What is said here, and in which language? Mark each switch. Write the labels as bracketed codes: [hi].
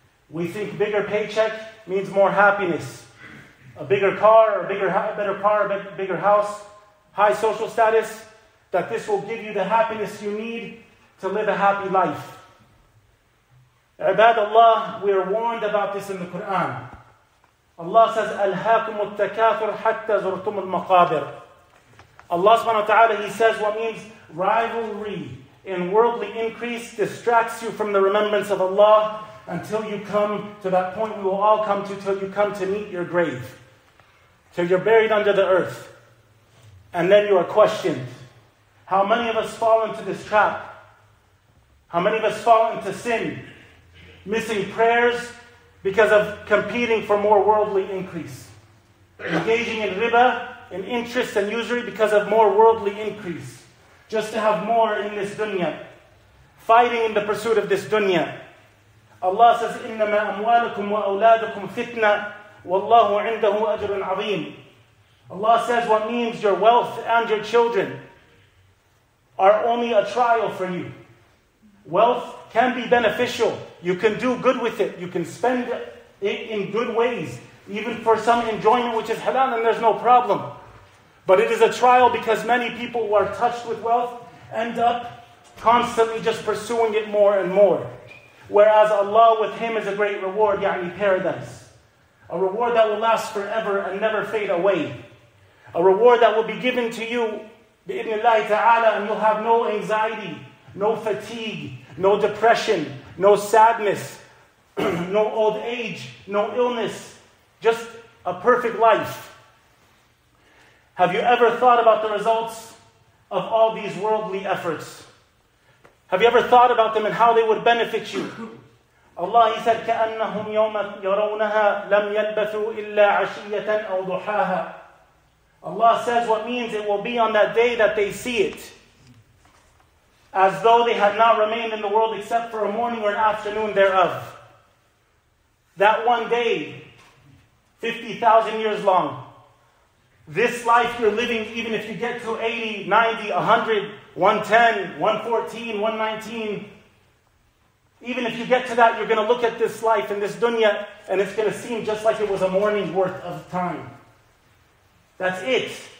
[en] We think bigger paycheck means more happiness. A bigger car, a bigger, better car, a bigger house, high social status, that this will give you the happiness you need to live a happy life. Ibadallah, we are warned about this in the Quran. Allah says, [ar] أَلْهَاكُمُ التَّكَاثُرُ حَتَّى زُرْتُمُ الْمَقَابِرُ. [en] Allah subhanahu wa ta'ala, He says what means rivalry in worldly increase distracts you from the remembrance of Allah until you come to that point we will all come to, till you come to meet your grave. Till you're buried under the earth. And then you are questioned. How many of us fall into this trap? How many of us fall into sin? Missing prayers because of competing for more worldly increase. Engaging in riba, in interest and usury because of more worldly increase. Just to have more in this dunya. Fighting in the pursuit of this dunya. Allah says, [ar] إِنَّمَا أَمْوَالُكُمْ وَأَوْلَادُكُمْ فِتْنَةً وَاللَّهُ عِنْدَهُ أَجْرٌ عَظِيمٌ. [en] Allah says what means your wealth and your children are only a trial for you. Wealth can be beneficial. You can do good with it. You can spend it in good ways, even for some enjoyment which is halal, and there's no problem. But it is a trial because many people who are touched with wealth end up constantly just pursuing it more and more. Whereas Allah with Him is a great reward, يعني paradise. A reward that will last forever and never fade away. A reward that will be given to you, [ar] بإذن الله تعالى, [en] and you'll have no anxiety, no fatigue, no depression, no sadness, no old age, no illness, just a perfect life. Have you ever thought about the results of all these worldly efforts? Have you ever thought about them and how they would benefit you? Allah, He said, [ar] كَأَنَّهُمْ يَوْمَ يَرَوْنَهَا لَمْ يَلْبَثُوا إِلَّا عَشِيَّةً أَوْ ضُحَاهَا. [en] Allah says what means it will be on that day that they see it. As though they had not remained in the world except for a morning or an afternoon thereof. That one day, 50,000 years long. This life you're living, even if you get to 80, 90, 100, 110, 114, 119, even if you get to that, you're going to look at this life and this dunya, and it's going to seem just like it was a morning's worth of time. That's it.